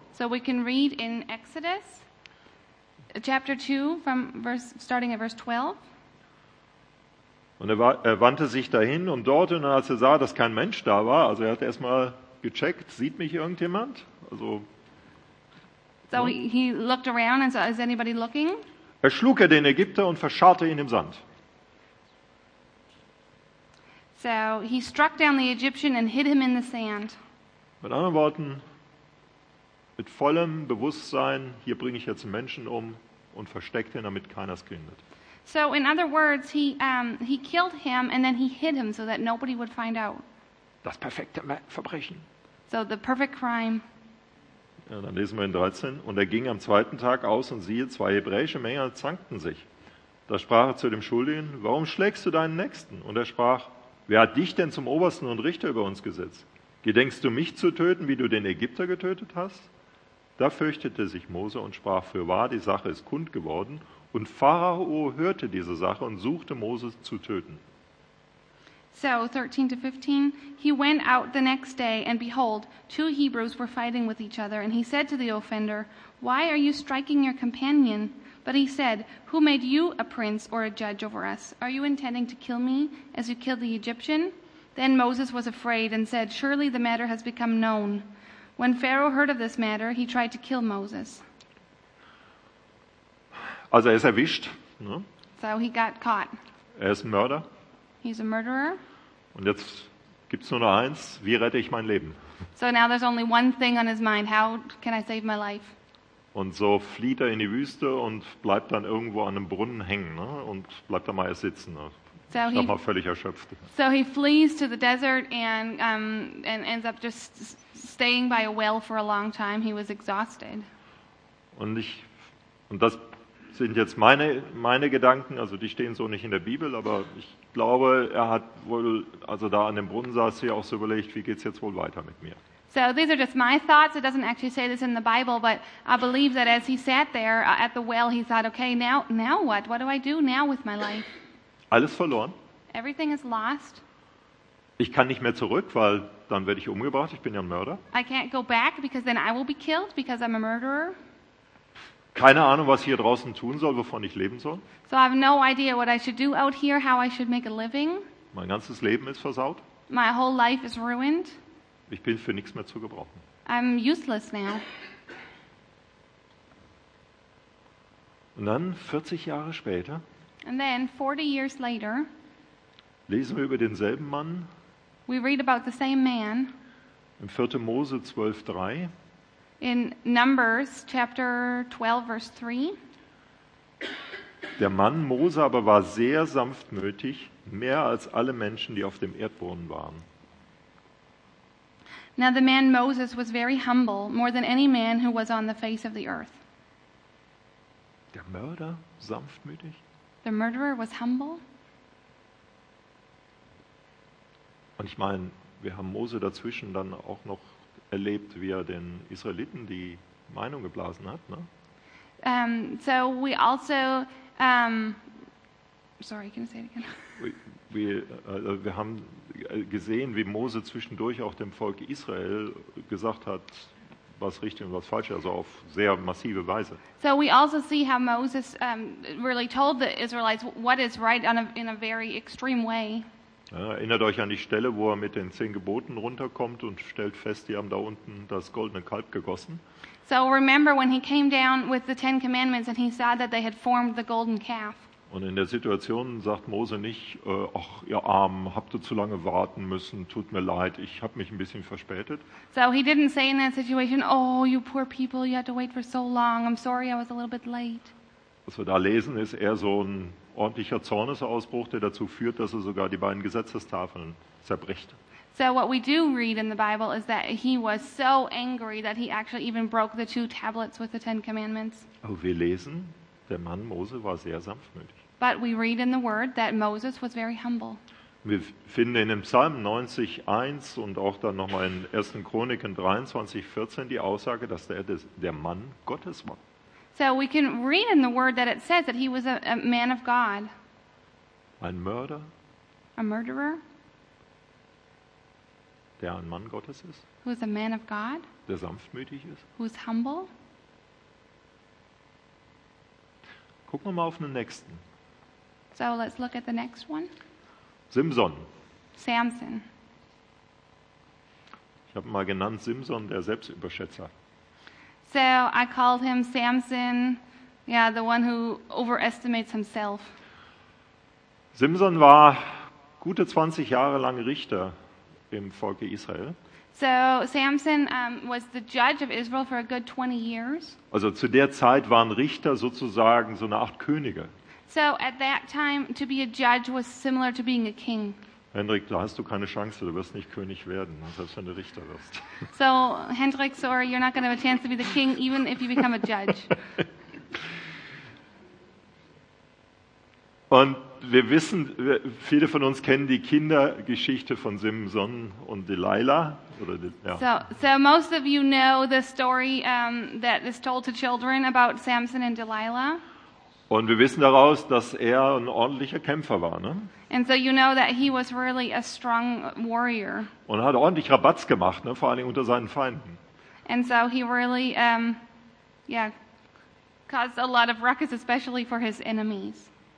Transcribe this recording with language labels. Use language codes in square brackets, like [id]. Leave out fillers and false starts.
[en] So we can read in Exodus, chapter 2, starting at verse 12. [de] Und er wandte sich dahin und dort, und als er sah, dass kein Mensch da war, also er hat erstmal gecheckt, sieht mich irgendjemand? Also, so ne? [en] He looked around and saw, is anybody looking? [de] Erschlug er den Ägypter und verscharrte ihn im Sand. [en] So he struck down the Egyptian and hid him in the sand. [de] Mit anderen Worten, mit vollem Bewusstsein, hier bringe ich jetzt einen Menschen um und versteckte ihn, damit keiner es findet. [en] So in other words, he killed him and then he hid him so that nobody would find out. [de] Das perfekte Verbrechen. [en] So the perfect crime. [de] Ja, dann lesen wir in 13. Und er ging am zweiten Tag aus und siehe, zwei hebräische Männer zankten sich. Da sprach er zu dem Schuldigen, warum schlägst du deinen Nächsten? Und er sprach, wer hat dich denn zum Obersten und Richter über uns gesetzt? Gedenkst du mich zu töten, wie du den Ägypter getötet hast? Da fürchtete sich Mose und sprach, fürwahr, die Sache ist kund geworden. Und Pharao hörte diese Sache und suchte Moses zu töten. [en] So, 13 to 15, he went out the next day, and behold, two Hebrews were fighting with each other, and he said to the offender, why are you striking your companion? But he said, who made you a prince or a judge over us? Are you intending to kill me, as you killed the Egyptian? Then Moses was afraid and said, surely the matter has become known. When Pharaoh heard of this matter, he tried to kill Moses. [de] Also er ist erwischt. Ne? [en] So he got caught. [de] Er ist ein Mörder. [en] He's a murderer. [de] Und jetzt gibt's nur noch eins, wie rette ich mein Leben? [en] So now there's only one thing on his mind, how can I save my life? [de] Und so flieht er in die Wüste und bleibt dann irgendwo an einem Brunnen hängen, ne? Und bleibt da mal erst sitzen. Ne? So ich glaube mal völlig erschöpft. [en] So he flees to the desert and ends up just staying by a well for a long time. He was exhausted. [de] Und das sind jetzt meine Gedanken, also die stehen so nicht in der Bibel, aber ich glaube, er hat wohl, also da an dem Brunnen saß, sich auch so überlegt, wie geht's jetzt wohl weiter mit mir. [en] So these are just my thoughts. It doesn't actually say this in the Bible, but I believe that as he sat there at the well, he thought, okay, now what? What do I do now with my life? [de] Alles verloren. [en] Everything is lost. [de] Ich kann nicht mehr zurück, weil dann werde ich umgebracht. Ich bin ja ein Mörder. [en] I can't go back because then I will be killed because I'm a murderer. [de] Keine Ahnung, was ich hier draußen tun soll, wovon ich leben soll. [en] So I have no idea what I should do out here, how I should make a living. [de] Mein ganzes Leben ist versaut. [en] My whole life is ruined. [de] Ich bin für nichts mehr zu gebrauchen. [en] I'm useless now. [de] Und dann 40 Jahre später. [en] And then 40 years later. [de] Lesen wir über denselben Mann. [en] We read about the same man. [de] In 4. Mose 12,3. [en] In Numbers chapter 12, verse 3. [de] Der Mann Mose aber war sehr sanftmütig, mehr als alle Menschen, die auf dem Erdboden waren. [en] Now the man Moses was very humble, more than any man who was on the face of the earth. [de] Der Mörder sanftmütig? [en] The murderer was humble. [de] Und ich meine, wir haben Mose dazwischen dann auch noch erlebt, wie er den Israeliten die Meinung geblasen hat. Ne? [en] So we also, sorry, can I say it again? [de] Wir haben gesehen, wie Mose zwischendurch auch dem Volk Israel gesagt hat, was richtig und was falsch, also auf sehr massive Weise. [en] So we also see how Moses really told the Israelites what is right in a very extreme way. [de] Ja, erinnert euch an die Stelle, wo er mit den 10 Geboten runterkommt und stellt fest, die haben da unten das goldene Kalb gegossen. [en] So remember when he came down with the 10 commandments and he saw that they had formed the golden calf. [de] Und in der Situation sagt Mose nicht, ach ihr Armen, habt ihr zu lange warten müssen, tut mir leid, ich habe mich ein bisschen verspätet. [en] So he didn't say in that situation, oh you poor people, you had to wait for so long, I'm sorry I was a little bit late. [de] Was wir da lesen, ist eher so ein ordentlicher Zornesausbruch, der dazu führt, dass er sogar die beiden Gesetzestafeln zerbricht. [en] So what we do read in the Bible is that he was so angry that he actually even broke the 2 tablets with the 10 commandments. [de] Oh, wir lesen, der Mann Mose war sehr sanftmütig. [en] But we read in the word that Moses was very humble. [de] Wir finden in dem Psalm 90,1 und auch dann nochmal in 1. Chroniken 23,14 die Aussage, dass er der Mann Gottes war. [en] So we can read in the word that it says that he was a man of God. [de] Ein Mörder. [en] A murderer. [de] Der ein Mann Gottes ist. [en] Who is a man of God. [de] Der sanftmütig ist. [en] Who is humble. [de] Gucken wir mal auf den nächsten. [en] So let's look at the next one. [de] Simson. [en] Samson. [de] Ich habe mal genannt Simson, der Selbstüberschätzer. [en] So I called him Samson, yeah, the one who overestimates himself. [de] Simson war gute 20 Jahre lang Richter im Volke Israel. [en] So Samson was the judge of Israel for a good 20 years. [de] Also zu der Zeit waren Richter sozusagen so eine Art Könige. [en] So at that time to be a judge was similar to being a king. [de] Hendrik, da hast du keine Chance, du wirst nicht König werden, selbst wenn du Richter wirst. [en] So Hendrik, sorry, you're not going to have a chance to be the king even if you become a judge. [de] Und wir wissen, viele von uns kennen die Kindergeschichte von Simson und Delilah. Oder, ja. [en] So most of you know the story that is told to children about Samson and Delilah. [de] Und wir wissen daraus, dass er ein ordentlicher Kämpfer war, ne? [en] And so you know that he was really a strong warrior. [de] Und hat ordentlich Rabatz gemacht, ne? Vor allem unter seinen Feinden. [en] And so he really, caused a lot of ruckus, especially for his enemies.